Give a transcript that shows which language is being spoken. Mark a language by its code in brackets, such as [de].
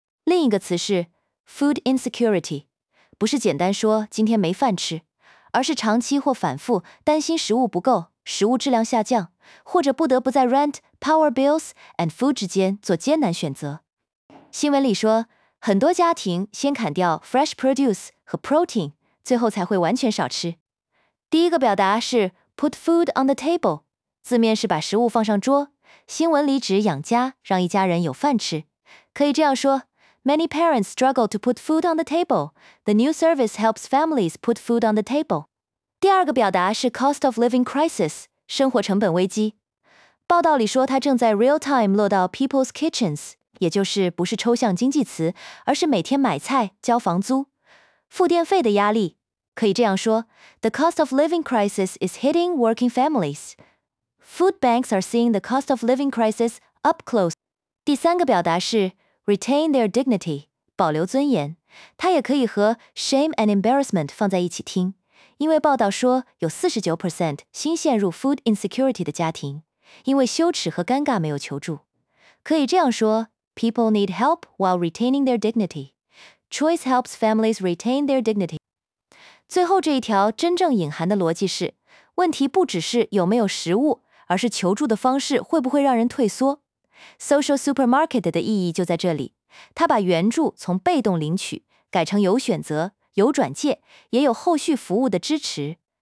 [zh] 另一个词是 food insecurity， 不是简单说今天没饭吃，而是长期或反复担心食物不够、食物质量下降，或者不得不在 rent、 [en] power bills and food [zh] 之间做艰难选择。新闻里说，很多家庭先砍掉 fresh produce 和 protein，最后才会完全少吃。第一个表达是 put food on the table， 字面是把食物放上桌。新闻里指养家，让一家人有饭吃。可以这样说， [en] Many parents struggle to put food on the table. The new service helps families put food on the table. [zh] 第二个表达是 cost of living crisis， 生活成本危机。报道里说它正在 real time 落到 [en] people's kitchens， [zh] 也就是不是抽象经济词，而是每天买菜、交房租、付电费的压力。可以这样说， [en] The cost of living crisis is hitting working families. Food banks are seeing the cost of living crisis up close. [zh] 第三个表达是 retain their dignity， 保留尊严。它也可以和 [en] shame and embarrassment [zh] 放在一起听，因为报道说有 49% 新陷入 food insecurity 的家庭因为羞耻和尴尬没有求助。可以这样说， [en] People need help while retaining their dignity. Choice helps families retain their dignity. [zh] 最后这一条真正隐含的逻辑是，问题不只是有没有食物，而是求助的方式会不会让人退缩。 Social supermarket 的意义就在这里，它把援助从被动领取改成有选择、有转介，也有后续服务的支持。